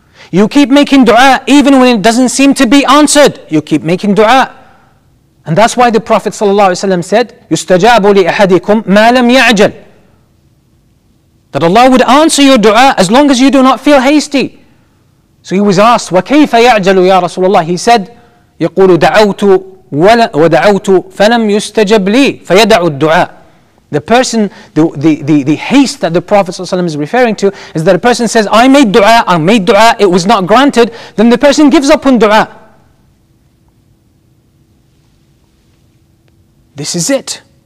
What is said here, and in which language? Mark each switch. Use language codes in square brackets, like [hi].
[en] You keep making dua even when it doesn't seem to be answered. You keep making dua. And that's why the Prophet ﷺ said, [ar] يُسْتَجَابُ لِأَحَدِكُمْ مَا لَمْ يَعْجَلْ. [en] That Allah would answer your dua as long as you do not feel hasty. So he was asked, [ar] وَكَيْفَ يَعْجَلُ يَا رَسُولَ اللَّهِ? [en] He said, [ar] يَقُولُ دَعَوْتُ وَدَعَوْتُ فَلَمْ يُسْتَجَبْ لِي فَيَدَعُ الدُّعَى. [en] The person, the haste that the Prophet ﷺ is referring to is that a person says, I made dua, it was not granted. Then the person gives up on dua. This is it.